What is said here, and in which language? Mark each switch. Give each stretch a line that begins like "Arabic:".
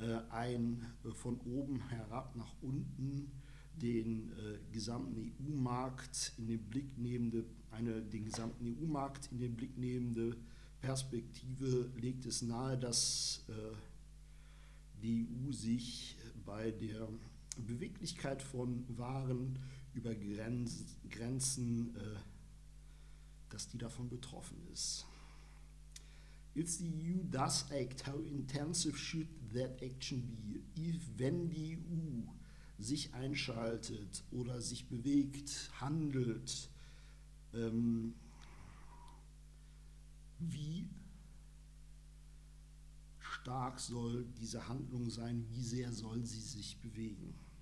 German: Ein von oben herab nach unten den gesamten EU-Markt in den Blick nehmende, den gesamten EU-Markt in den Blick nehmende Perspektive legt es nahe, dass die EU sich bei der Beweglichkeit von Waren über Grenzen, dass die davon betroffen ist.
English: If the EU does act, how intensive should that action be?
German: Wenn die EU sich einschaltet oder sich bewegt, handelt, wie stark soll diese Handlung sein, wie sehr soll sie sich bewegen?